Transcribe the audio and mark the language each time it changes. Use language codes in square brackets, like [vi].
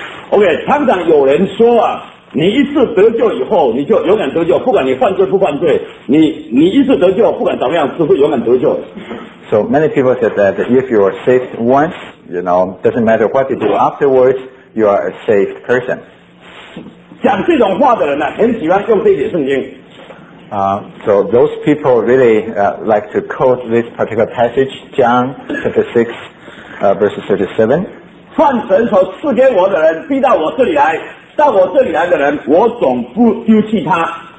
[zh] Okay, 常常有人说啊，你一次得救以后，你就永远得救，不管你犯罪不犯罪，你一次得救，不管怎么样，就会永远得救。 [en] So many people said that if you are saved once, you know, doesn't matter what you do afterwards, you are a saved person. [zh] 讲这种话的人呢、啊，很喜欢用这些圣经。 [en] So those people really like to quote this particular passage, John chapter 6. Verses 37. [zh] 犯神所赐给我的人，逼到我这里来，到我这里来的人，我总不丢弃他。